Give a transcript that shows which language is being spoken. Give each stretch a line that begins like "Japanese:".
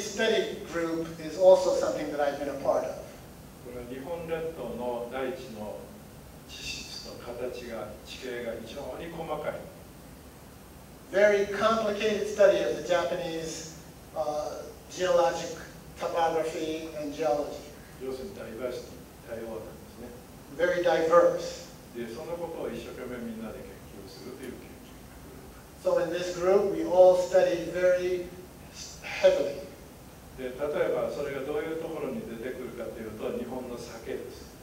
English: study group is also something that I've been a part of.
Japanese: これは日本列島の大地の地質と形が地形が非常に細かい。
English: Very complicated study of the Japanese geologic topography and geology.
Japanese: 要するにダイバーシティ、多様なんですね。
English: Very diverse.
Japanese: で、そのことを一生懸命みんなで研究するという研究グループ。
English: So in this group, we all study very heavily.
Japanese: で、例えばそれがどういうところに出てくるかというと、日本の酒です。